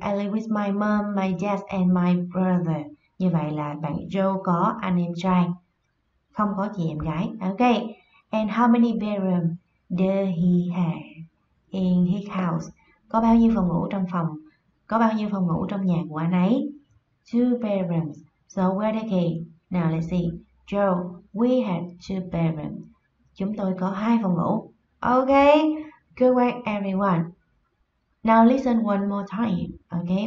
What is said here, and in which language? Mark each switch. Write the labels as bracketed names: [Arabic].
[English] I live with my mom, my dad, and my brother. [Vietnamese] Như vậy là bạn Joe có anh em trai, không có chị em gái. [English] Okay, and how many bedroom does he have in his house? [Vietnamese] Có bao nhiêu phòng ngủ trong phòng? Có bao nhiêu phòng ngủ trong nhà của anh ấy? [English] Two bedrooms. So where did he? Now let's see. Joe, we have two bedrooms. [Vietnamese] Chúng tôi có hai phòng ngủ. [English] Okay. Good work, everyone. Now listen one more time. Okay.